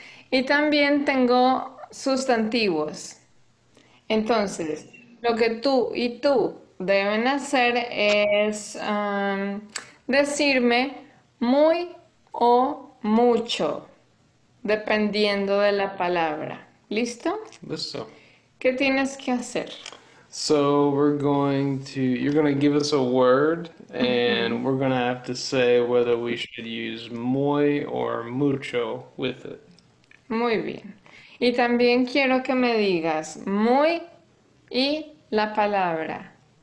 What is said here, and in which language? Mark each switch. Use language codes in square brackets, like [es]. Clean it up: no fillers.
[es] Y también tengo sustantivos. Entonces, lo que tú y tú deben hacer es decirme muy o mucho, dependiendo de la palabra. ¿Listo? Listo. ¿Qué tienes que hacer? [en] So we're going to, you're going to give us a word, and we're going to have to say whether we should use muy or mucho with it. [es] Muy bien. Y también quiero que me digas muy y la palabra.